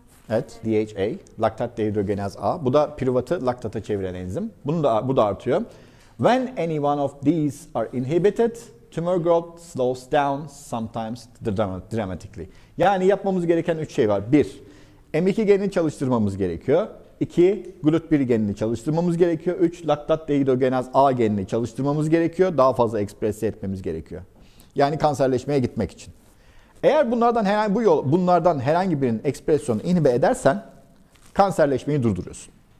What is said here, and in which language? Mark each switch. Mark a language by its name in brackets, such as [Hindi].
[Turkish] Evet, DHA, laktat dehidrogenaz A. Bu da pirivatı laktata çeviren enzim. Bu da artıyor. [English] When any one of these are inhibited, tumor growth slows down sometimes dramatically. [Turkish] Yani yapmamız gereken 3 şey var. 1. M2 genini çalıştırmamız gerekiyor. 2. Glut1 genini çalıştırmamız gerekiyor. 3. Laktat dehidrogenaz A genini çalıştırmamız gerekiyor. Daha fazla ekspres etmemiz gerekiyor. Yani kanserleşmeye gitmek için. Eğer bunlardan herhangi birinin ekspresyonunu inhibe edersen kanserleşmeyi durduruyorsun.